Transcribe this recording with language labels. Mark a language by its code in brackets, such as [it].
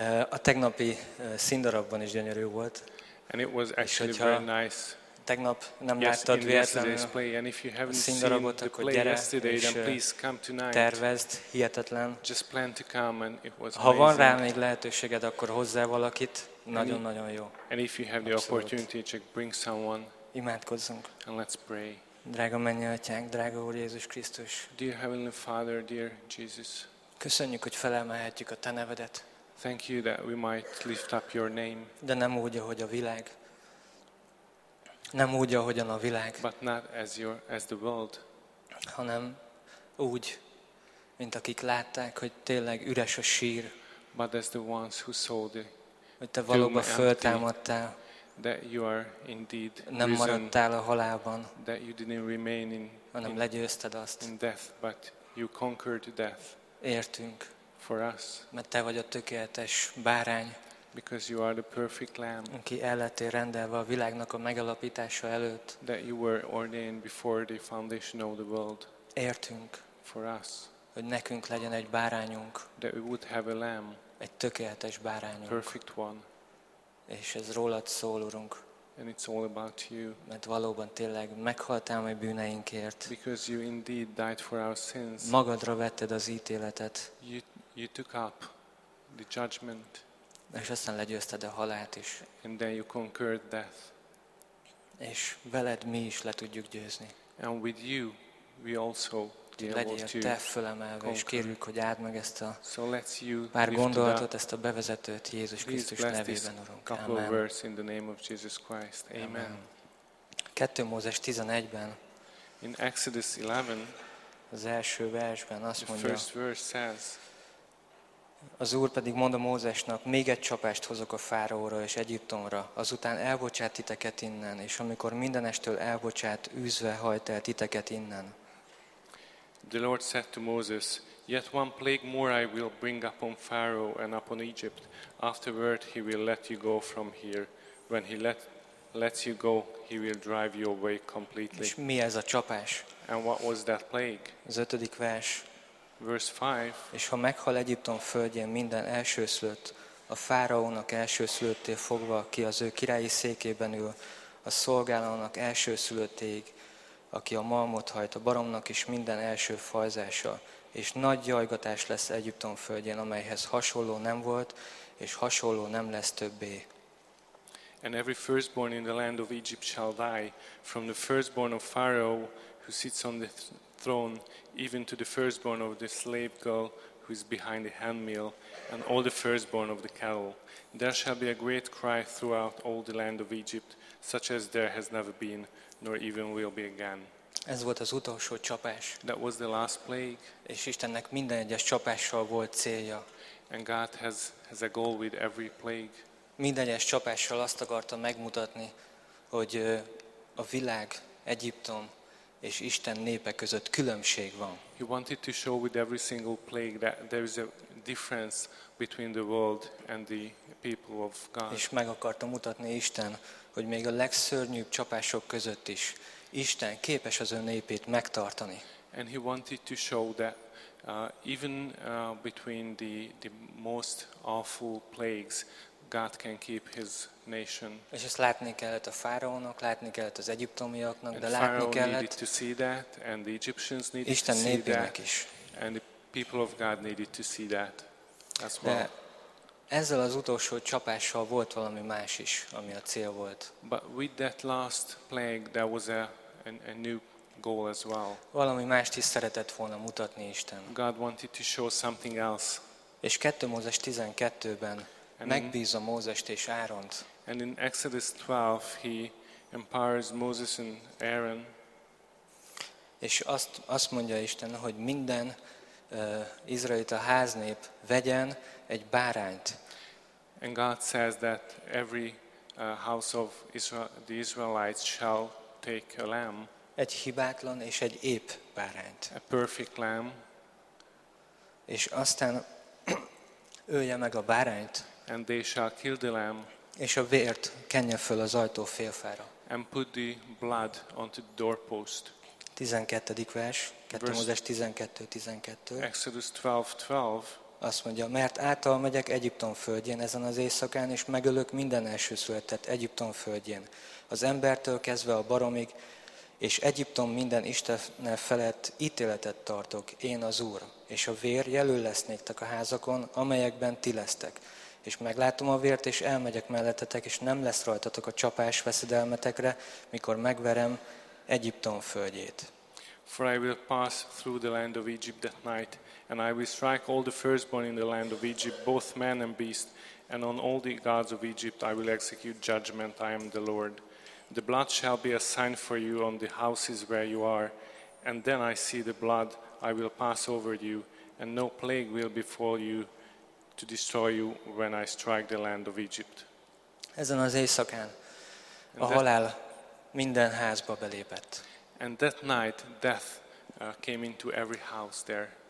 [hu] A tegnapi színdarabban is gyönyörű volt. [en] And it was actually very nice. [hu] Tegnap nem láttad véletlenül [en] and if you haven't seen the play yesterday, then please come tonight. [hu] Tervezd, hihetetlen. [en] Just plan to come and it was amazing. [hu] Ha van rá még lehetőséged, akkor hozzál valakit. Nagyon-nagyon jó. [en] And if you have the opportunity, just bring someone. [hu] Imádkozzunk. [en] And let's pray. [hu] Drága mennyi atyánk, drága Úr Jézus Krisztus. [en] Dear Heavenly Father, dear Jesus. [hu] Köszönjük, hogy felemelhetjük a te nevedet. [en] Thank you that we might lift up your name. [hu] De nem úgy, ahogy a világ. Nem úgy, ahogyan a világ. [en] But not as the world. [hu] Hanem úgy, mint akik látták, hogy tényleg üres a sír. [en] But as the ones who saw the [hu] hogy te valóban föltámadtál. [en] That you are indeed [hu] nem maradtál a halálban. [en] That you didn't remain in, [hu] hanem legyőzted azt. [en] In death, but you conquered death. [hu] Értünk. [en] For us. [hu] Mert te vagy a tökéletes bárány. [en] Because you are the perfect lamb. [hu] Aki el lettél rendelve a világnak a megalapítása előtt. [en] That you were ordained before the foundation of the world. [hu] Értünk. [en] For us. [hu] Hogy nekünk legyen egy bárányunk. [en] That we would have a lamb. [hu] Egy tökéletes bárányunk. [en] Perfect one. [hu] És ez rólad szól, Urunk. [en] And it's all about you. [hu] Mert valóban tényleg meghaltál a bűneinkért. [en] Because you indeed died for our sins. [hu] Magadra vetted az ítéletet. [en] You took up the judgment. [hu] És aztán legyőzted a halált is. [en] And then you conquered death. [hu] És veled mi is le tudjuk győzni. [en] And with you, we also [hu] legyél te fölemelve, és kérjük, hogy áld meg ezt a pár gondolatot, ezt a bevezetőt Jézus Krisztus nevében, Urunk. Amen. [en] Amen. [hu] 2 Mózes 11-ben, [en] in Exodus 11, [hu] az első versben azt mondja, [en] first verse says, [hu] az Úr pedig mond a Mózesnak, még egy csapást hozok a fáraóra és Egyiptomra, azután elbocsát titeket innen, és amikor mindenestől elbocsát, űzve hajt el titeket innen. [en] The Lord said to Moses, yet one plague more I will bring upon Pharaoh and upon Egypt. Afterward he will let you go from here. When he lets you go, he will drive you away completely. [hu] És mi ez a csapás? [en] And what was that plague? [hu] Az 5. vers. [en] Verse 5. [hu] És ha meghal Egyiptom földjén minden elsőszülött, a fáraónak elsőszülöttél fogva, aki az ő királyi székében ül, a szolgálónak elsőszülöttéig, aki a malmot hajt, a baromnak is minden első fajzása, és nagy jajgatás lesz Egyiptom földjén, amelyhez hasonló nem volt, és hasonló nem lesz többé. [en] And every firstborn in the land of Egypt shall die, from the firstborn of Pharaoh, who sits on the throne, even to the firstborn of the slave girl, who is behind the handmill, and all the firstborn of the cattle. There shall be a great cry throughout all the land of Egypt, such as there has never been, nor even will be again. [hu] Ez volt az utolsó csapás. [en] That was the last plague. [hu] És Istennek minden egyes csapással volt célja. [en] And God has a goal with every plague. [hu] Minden egyes csapással azt akarta megmutatni, hogy a világ, Egyiptom és Isten népe között különbség van. [en] He wanted to show with every single plague that there is a difference between the world and the people of God. [hu] És meg akarta mutatni Isten, hogy még a legszörnyűbb csapások között is Isten képes az ő népét megtartani. [en] And he wanted to show that even between the most awful plagues, God can keep his nation. [hu] És ezt látni kellett a fáraónak, látni kellett az egyiptomiaknak, de látni kellett [en] to see that, and the Egyptians needed [hu] Isten [en] to see [hu] népének [en] that, [hu] is. [en] And the people of God needed to see that as well. [hu] De ezzel az utolsó csapással volt valami más is, ami a cél volt. [en] But with that last plague, there was a new goal as well. [hu] Valami mást is szeretett volna mutatni Isten. [en] God wanted to show something else. [hu] És 2 Mózes 12-ben megbízza Mózest és Áront. [en] And in Exodus 12, he empowers Moses and Aaron. [hu] És azt mondja Isten, hogy minden izraelita háznép vegyen egy bárányt. [en] And God says that every house of Israel, the Israelites shall take a lamb. [hu] Egy hibátlan és egy épp bárányt. [en] A perfect lamb. [hu] És aztán ölje meg a bárányt. [en] And they shall kill the lamb. [hu] És a vért kenje föl az ajtó félfára. [en] And put the blood onto the doorpost. [hu] 12. vers, 2 Mózes 12:12. [en] Exodus 12:12. [hu] Azt mondja, mert által megyek Egyiptom földjén ezen az éjszakán, és megölök minden elsőszületett Egyiptom földjén. Az embertől kezdve a baromig, és Egyiptom minden istene felett ítéletet tartok, én az Úr. És a vér jelül lesz néktek a házakon, amelyekben ti lesztek. És meglátom a vért, és elmegyek mellettetek, és nem lesz rajtatok a csapás veszedelmetekre, mikor megverem Egyiptom földjét. [en] For I will pass through the land of Egypt that night, and I will strike all the firstborn in the land of Egypt, both man and beast, and on all the gods of Egypt I will execute judgment, I am the Lord. The blood shall be a sign for you on the houses where you are, and then I see the blood, I will pass over you, and no plague will befall you to destroy you when I strike the land of Egypt. [hu] Ezen az éjszakán a halál minden házba belépett. [en] And that night death came into every house there.